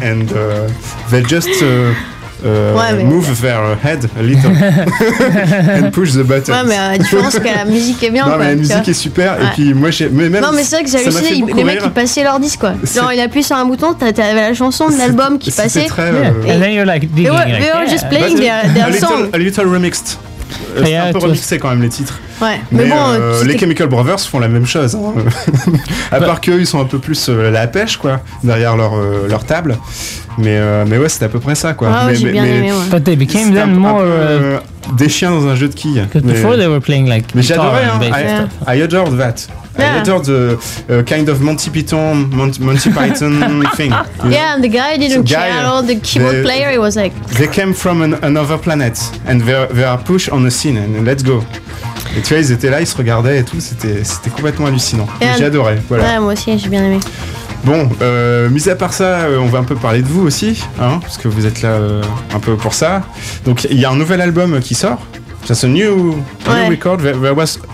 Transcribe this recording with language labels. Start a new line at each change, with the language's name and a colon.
English: And they just move their head a little. And push the button.
French: Ouais, mais tu penses que la musique est bien. Non, quoi, mais la musique est super. Ouais. Et puis moi, j'ai. Mais même, non, mais c'est vrai que j'ai halluciné. Les mecs, ils passaient leur disque, quoi. Genre, il appuie sur un bouton, t'avais la chanson de l'album qui passait. Très,
English: And then you're like, digging, they were like, just playing their song. A little remixed.
French: C'est un peu remixé quand même les titres. Ouais. Les Chemical Brothers font la même chose. Hein. À part qu'eux, ils sont un peu plus la pêche, quoi, derrière leur table. Mais ouais, c'était à peu près ça, quoi.
English: But they became then more
French: des chiens dans un jeu de quilles.
English: Before they were playing like.
French: Mais j'adorais.
English: I adored that. Yeah. I adored the kind of Monty Python thing. Yeah, know? And the guy didn't care at all. The keyboard player, he was like. They came from another planet and they are pushed on the scene and let's go.
French: Et tu vois, ils étaient là, ils se regardaient et tout. C'était complètement hallucinant. Yeah. J'ai adoré. Voilà. Ouais, moi aussi, j'ai bien aimé. Bon, mis à part ça, on va un peu parler de vous aussi, hein, parce que vous êtes là un peu pour ça. Donc, il y a un nouvel album qui sort.
English: That's a new record. There was